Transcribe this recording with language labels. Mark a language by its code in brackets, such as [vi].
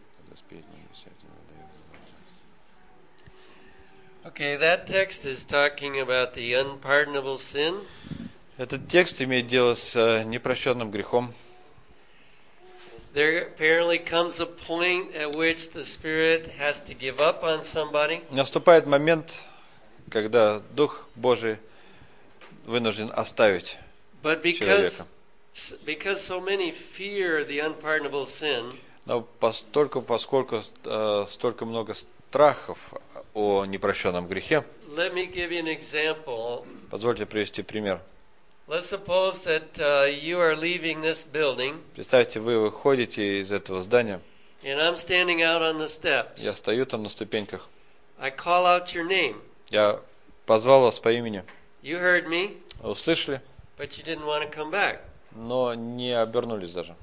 [en] The spirit may be saved in the day. Okay, that text is talking about the unpardonable sin. [ru] Этот текст имеет дело с непрощенным грехом. [en] There apparently comes a point at which the Spirit has to give up on somebody. [ru] Наступает момент, когда Дух Божий вынужден оставить человека. [en] But because so many fear the unpardonable sin. [ru] Но поскольку столько много страхов о непрощенном грехе. [en] Let me give you an example. [ru] Позвольте привести пример. [en] Let's suppose that you are leaving this building. [ru] Представьте, вы выходите из этого здания. [en] And I'm standing out on the steps. [ru] Я стою там на ступеньках. [en] I call out your name. [ru] Я позвал вас по имени. [en] You heard me. [ru] Услышали. [en] But you didn't want to come back. [ru] Но не обернулись даже.